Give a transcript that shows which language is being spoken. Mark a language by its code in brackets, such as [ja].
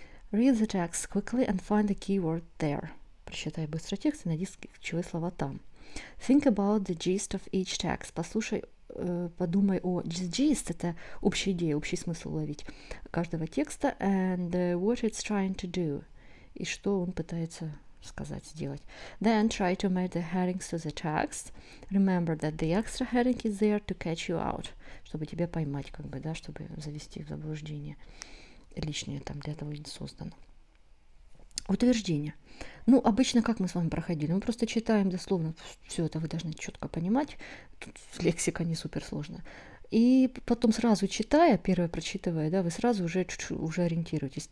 [en] Read the text quickly and find the keyword there. [ru] Прочитай быстро текст и найди ключевые слова там. [en] Think about the gist of each text. [ru] Послушай, подумай о gist, это общая идея, общий смысл уловить каждого текста. [en] And what it's trying to do. [ru] И что он пытается сказать, сделать. [en] Then try to match the headings to the text. Remember that the extra heading is there to catch you out. [ru] Чтобы тебя поймать, как бы, да, чтобы завести в заблуждение. Лишнее там для этого не создано. Утверждение. Ну, обычно как мы с вами проходили? Мы просто читаем дословно все это, вы должны четко понимать. Тут лексика не суперсложная. И потом сразу читая, первое прочитывая, да, вы сразу уже чуть-чуть уже ориентируетесь.